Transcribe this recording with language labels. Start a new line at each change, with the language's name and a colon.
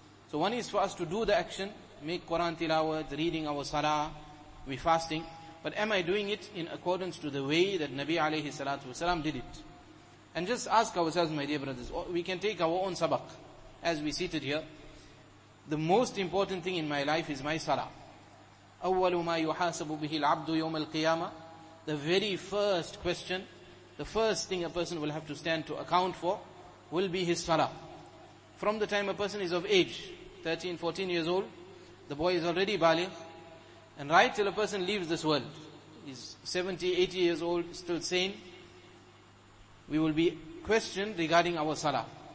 English: So one is for us to do the action, make Quran tilawat, reading our salah, we fasting. But am I doing it in accordance to the way that Nabi alayhi salatu wasalam did it? And just ask ourselves, my dear brothers, we can take our own sabak as we seated here. The most important thing in my life is my salah.
Arabic: أول ما يحاسب به العبد يوم القيامة.
English: The very first question, the first thing a person will have to stand to account for will be his salah. From the time a person is of age, 13, 14 years old, the boy is already baligh, and right till a person leaves this world, he's 70, 80 years old, still sane, we will be questioned regarding our salah.